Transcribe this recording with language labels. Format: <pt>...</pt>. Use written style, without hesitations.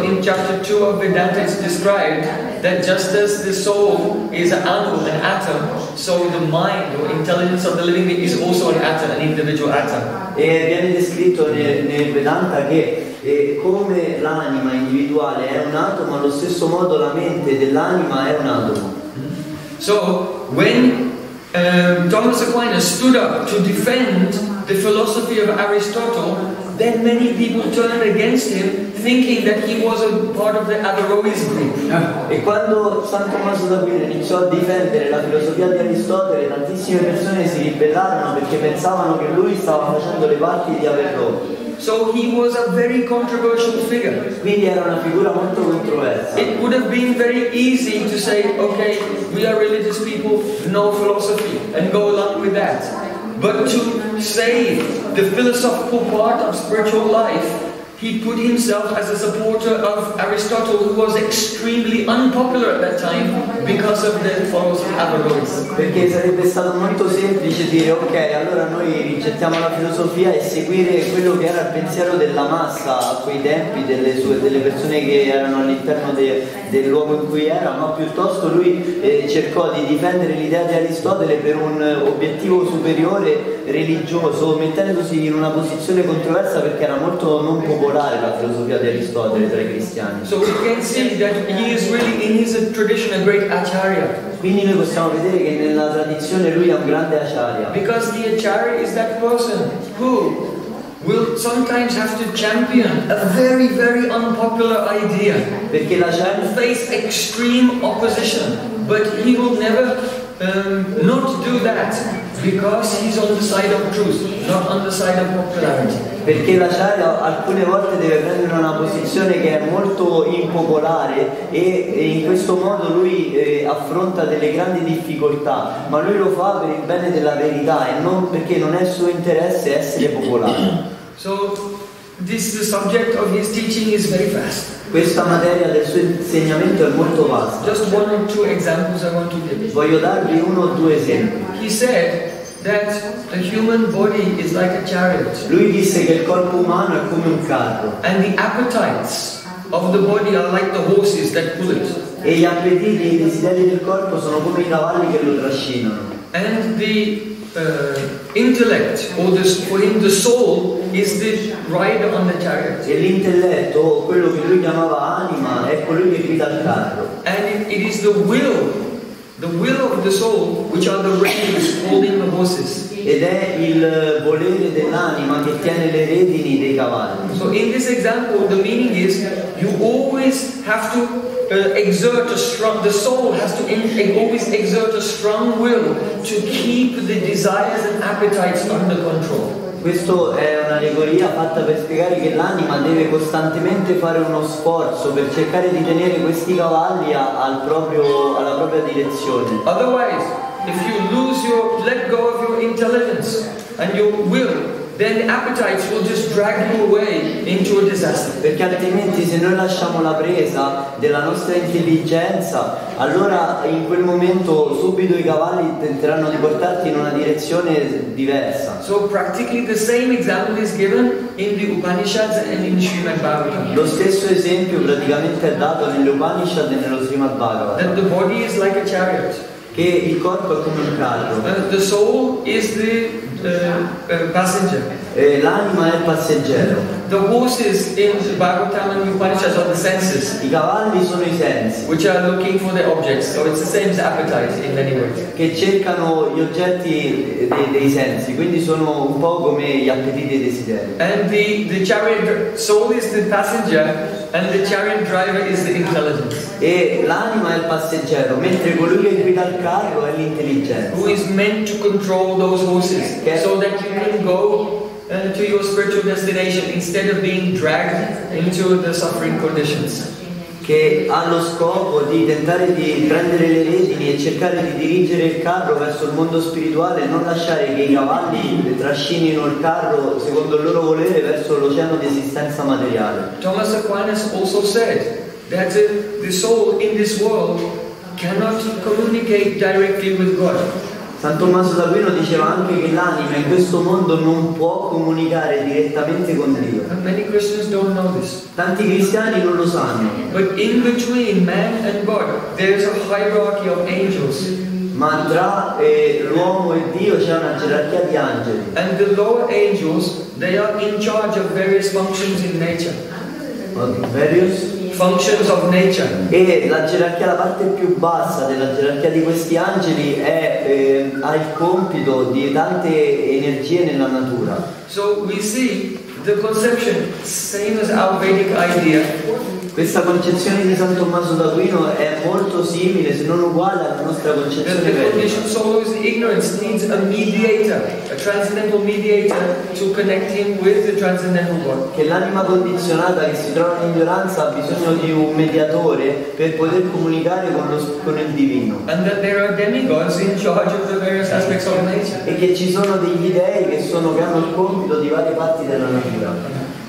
<en>So in chapter 2 of Vedanta it's described that just as the soul is an atom, so the mind or intelligence of the living being is also an atom, an individual atom.</en> <it>E viene descritto nel Vedanta che come l'anima individuale è un atomo, allo stesso modo la mente dell'anima è un atomo.</it> <en>So when Thomas Aquinas stood up to defend the philosophy of Aristotle, then many people turned against him, thinking that he was a part of the Averroes group.</en> <it>E quando San Tommaso d'Aquino iniziò a difendere la filosofia di Aristotele, tantissime persone si ribellarono perché pensavano che lui stava facendo le parti di Averroes.</it> <en>So he was a very controversial figure.</en> <it>Quindi era una figura molto controversa.</it> <en>It would have been very easy to say, okay, we are religious people, no philosophy, and go along with that. But to save the philosophical part of spiritual life, he put himself as a supporter of Aristotle, who was extremely unpopular at that time because of the followers of Averroes.</en> <it>Perché sarebbe stato molto semplice dire ok, allora noi rigettiamo la filosofia e seguire quello che era il pensiero della massa a quei tempi, delle persone che erano all'interno del luogo in cui era, ma piuttosto lui cercò di difendere l'idea di Aristotele per un obiettivo superiore religioso, mettendosi in una posizione controversa perché era molto non popolare la filosofia di Aristotele tra i cristiani.</it> <en>So we can see that he is really in his tradition a great acharya.</en> <it>Quindi noi possiamo vedere che nella tradizione lui è un grande acharya.</it> <en>Because the acharya is that person who will sometimes have to champion a very, very unpopular idea.</en> <it>Perché l'acharya</it> <en>face extreme opposition, but he will never not do that because he's on the side of truth, not on the side of popularity.</en> <it>Perché l'acharya alcune volte deve prendere una posizione che è molto impopolare e in questo modo lui affronta delle grandi difficoltà, ma lui lo fa per il bene della verità e non perché non è suo interesse essere popolare.</it> <en>So this the subject of his teaching is very vast.</en> <it>Questa materia del suo insegnamento è molto vasta.</it> <en>Just one or two examples I want to give.</en> <it>Voglio darvi uno o due esempi.</it> <en>He said that a human body is like a chariot.</en> <it>Lui disse che il corpo umano è come un carro.</it> <en>And the appetites of the body are like the horses that pull it.</en> <it>E gli appetiti, i desideri del corpo sono come i cavalli che lo trascinano.</it> <en>And the intellect, or this, for him, the soul is the rider on the chariot.</en> <it>E l'intelletto, quello che lui chiamava anima, è colui che guida il carro.</it> <en>And it is the will of the soul, which are the reins holding the horses.</en> <it>Ed è il volere dell'anima che tiene le redini dei cavalli.</it> <en>So in this example, the meaning is you always have to exert a strong. The soul has to always exert a strong will to keep the desires and appetites under control.</en> <it>Questo è un'allegoria fatta per spiegare che l'anima deve costantemente fare uno sforzo per cercare di tenere questi cavalli alla propria direzione.</it> <en>Otherwise, if you lose your let go of your intelligence and your will, then the appetites will just drag you away into a disaster.</en> <it>Perché altrimenti se noi lasciamo la presa della nostra intelligenza, allora in quel momento subito i cavalli tenteranno di portarti in una direzione diversa.</it> <en>So practically the same example is given in the Upanishads and in Srimad Bhagavatam.</en> <it>Lo stesso esempio praticamente è dato negli Upanishad e nello Srimad Bhagavatam.</it> <en>That the body is like a chariot.</en> <it>Che il corpo è come un carro.</it> <en>The soul is the passenger.</en> <it>E l'anima è il passeggero.</it> <en>The horses in the Bhagavatam and Upanishads are the senses.</en> <it>I cavalli sono i sensi.</it> <en>Which are looking for the objects, so it's the same as appetite in many ways.</en> <it>Che cercano gli oggetti dei sensi, quindi sono un po' come gli appetiti e desideri.</it> <en>And the chariot soul is the passenger. And the chariot driver is the intelligence.</en> <it>E l'anima è il passeggero, mentre colui che guida il carro è l'intelligenza.</it> <en>Who is meant to control those horses, so that you can go to your spiritual destination instead of being dragged into the suffering conditions.</en> <it>Che ha lo scopo di tentare di prendere le redini e cercare di dirigere il carro verso il mondo spirituale e non lasciare che i cavalli trascinino il carro secondo il loro volere verso l'oceano di esistenza materiale.</it> <en>Thomas Aquinas also said that the soul in this world cannot communicate directly with God.</en> <it>San Tommaso d'Aquino diceva anche che l'anima in questo mondo non può comunicare direttamente con Dio.</it> <en>And many Christians don't know this.</en> <it>Tanti cristiani non lo sanno.</it> <en>But in between man and God, there is a hierarchy of angels.</en> <it>Ma tra l'uomo e Dio c'è una gerarchia di angeli.</it> <en>And the lower angels, they are in charge of various functions in nature. Various functions of nature.</en> <it>E la gerarchia, la parte più bassa della gerarchia di questi angeli ha il compito di tante energie nella natura.</it> <en>So we see the conception same as our Vedic idea.</en> <it>Questa concezione di San Tommaso d'Aquino è molto simile, se non uguale, alla nostra concezione vedica.</it> <en>The conditioned soul is ignorance, needs a mediator, a transcendental mediator to connect him with the transcendental God.</en> <it>Che l'anima condizionata che si trova in ignoranza ha bisogno di un mediatore per poter comunicare con il divino.</it> <en>And that there are demigods in charge of the various aspects of nature.</en> <it>E che ci sono degli dei che hanno il compito di varie parti della natura.</it>